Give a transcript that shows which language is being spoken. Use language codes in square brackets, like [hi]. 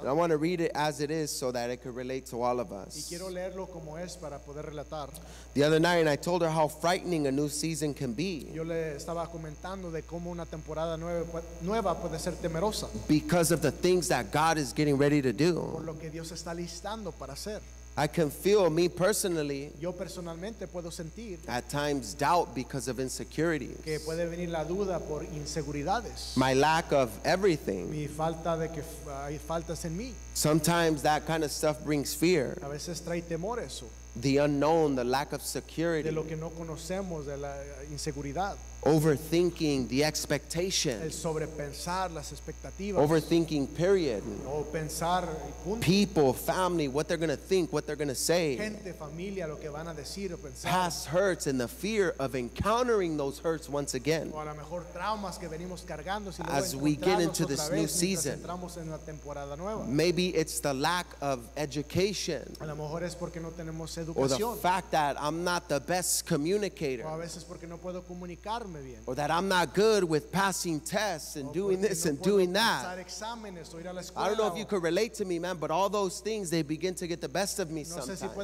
[en] And I want to read it as it is so that it could relate to all of us. [es] Y quiero leerlo como es para poder relatar. [en] The other night, and I told her how frightening a new season can be. [es] Yo le estaba comentando de cómo una temporada nueva puede ser temerosa. [en] Because of the things that God is getting ready to do. [es] Por lo que Dios está listando para hacer. [en] I can feel me personally, [es] yo personalmente puedo sentir, [en] at times doubt because of insecurities, [es] que puede venir la duda por inseguridades, [en] my lack of everything. [es] Mi falta de que, faltas en mí. [en] Sometimes that kind of stuff brings fear. [es] A veces trae temor eso. [en] The unknown, the lack of security, [es] de lo que no conocemos, de la inseguridad. [en] Overthinking the expectations, [es] el sobrepensar las expectativas. [en] Overthinking period, [es] o pensar, punto. [en] People, family, what they're going to think, what they're going to say, [es] gente, familia, lo que van a decir o pensar. [en] Past hurts and the fear of encountering those hurts once again, [es] o a lo mejor traumas que venimos cargando, si [en] as we get into this new season. [es] Entramos en la temporada nueva. [en] Maybe it's the lack of education, [es] a lo mejor es porque no tenemos educación. [en] Or the fact that I'm not the best communicator, [es] o a veces porque no puedo comunicar. [en] Or that I'm not good with passing tests and doing this and doing that. I don't know if you could relate to me, man, but all those things, they begin to get the best of me sometimes.